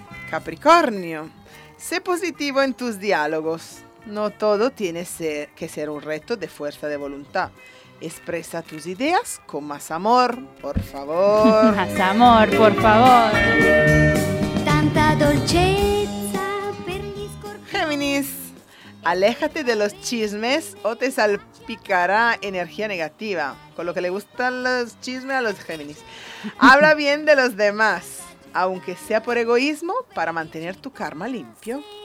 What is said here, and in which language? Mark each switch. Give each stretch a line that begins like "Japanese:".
Spanish: Capricornio, sé positivo en tus diálogos. No todo tiene que ser un reto de fuerza de voluntad. Expresa tus ideas con más amor, por favor. Más amor, por favor.
Italian: Tanta dolceza per gli scorpioni.
Spanish: Géminis, aléjate de los chismes o te salpicará energía negativa. Con lo que le gustan los chismes a los Géminis. Habla bien de los demás, aunque sea por egoísmo, para mantener tu karma limpio.